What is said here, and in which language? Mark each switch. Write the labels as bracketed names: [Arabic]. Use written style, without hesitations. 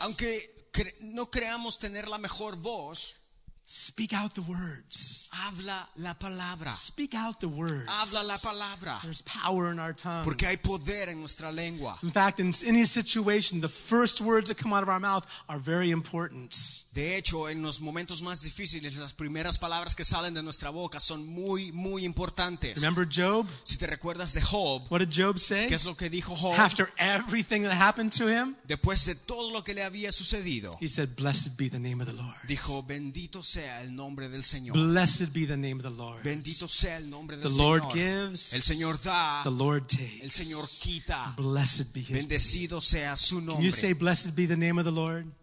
[Spanish] Aunque no creamos tener la mejor voz. [English] Speak out the words. [Spanish] Habla la palabra. [English] Speak out the words. [Spanish] Habla la palabra. [English] There's power in our tongue. [Spanish] Porque hay poder en nuestra lengua. [English] In fact, in any situation, the first words that come out of our mouth are very important. [Spanish] De hecho, en los momentos más difíciles, las primeras palabras que salen de nuestra boca son muy, muy importantes. [English] Remember Job? [Spanish] Si te recuerdas de Job. [English] What did Job say? [Spanish] ¿Qué es lo que dijo Job? [English] After everything that happened to him. [Spanish] Después de todo lo que le había sucedido. [English] He said, "Blessed be the name of the Lord." [Spanish] Dijo, "Bendito sea el nombre del Señor." [English] Blessed be the name of the Lord. [Spanish] Bendito sea el nombre del the Señor. [English] The Lord gives. [Spanish] El Señor da. [English] The Lord takes. [Spanish] El Señor quita. [English] Blessed be his [Spanish] Bendecido [English] name. [Spanish] Sea su nombre. [English] Can you say blessed be the name of the Lord?